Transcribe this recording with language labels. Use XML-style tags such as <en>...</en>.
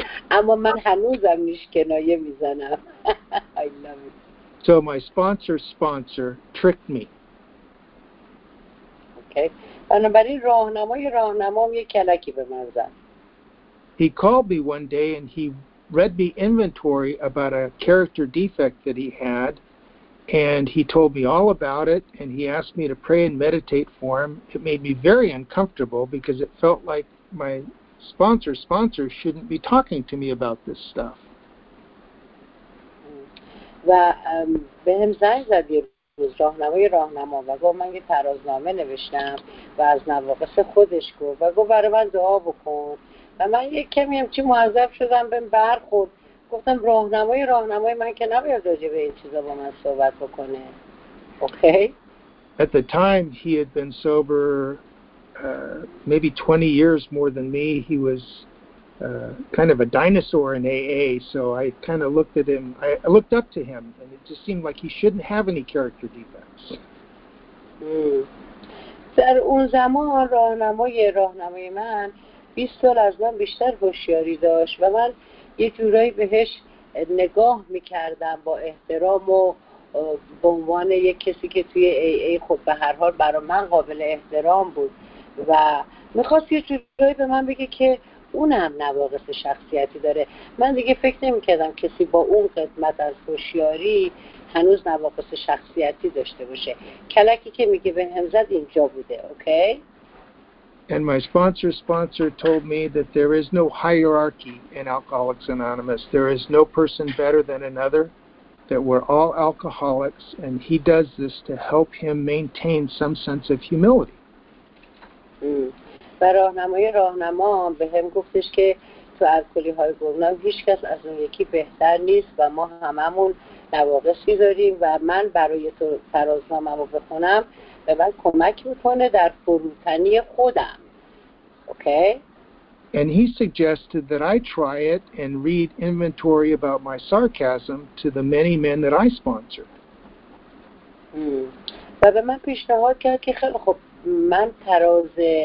<fa>اما من هنوزم نشکنایه میزنم.</fa> <en>I love it. So my sponsor tricked me. Okay.</en> <fa>بنابراین راهنمای راهنمام یه کلکی به من زد.</fa> <en>He called me one day and he read me inventory about a character defect that he had. And he told me all about it, and he asked me to pray and meditate for him. It made me very uncomfortable because it felt like my sponsor shouldn't be talking to me about this stuff.</en> <fa>و به هم زنگ زد یه روز راهنمای راهنما و گفت من یه ترازنامه نوشتم و از نواقص خودش گفت و گفت برای من دعا بکن و من یه کمی همچی معذب شدم به برخورد. گفتم راهنمای من که نباید راجع به این چیزا با من صحبت بکنه.</fa> <en>Okay. At the time he had been sober maybe 20 years more than me. He was kind of a dinosaur in AA, so I kind of looked at him. I looked up to him and it just seemed like he shouldn't have any character defects.</en> <fa>در اون زمان راهنمای من 20 سال از من بیشتر هوشیاری داشت و من یه جورایی بهش نگاه میکردم با احترام و به عنوان یک کسی که توی AA خب به هر حال برای من قابل احترام بود و میخواست یه جورایی به من بگه که اونم نواقص شخصیتی داره. من دیگه فکر نمیکردم کسی با اون قدمت از هوشیاری هنوز نواقص شخصیتی داشته باشه. کلکی که میگه به هم زد اینجا بوده.</fa> <en>Okay. And my sponsor told me that there is no hierarchy in Alcoholics Anonymous. There is no person better than another, that we're all alcoholics, and he does this to help him maintain some sense of humility.</en> <fa>و راهنمای راهنما به هم گفتش که تو الکلی های گمنام هیچ کس از اون یکی بهتر نیست و ما هممون نواقصی داریم و من برای تو ترازنامم رو بخونم به من کمک میکنه در فروتنی خودم.</fa> <en>Okay. And he suggested that I try it and read inventory about my sarcasm to the many men that I sponsored.</en> <fa>و به من پیشنهاد کرد که خیلی خب من تراز</fa>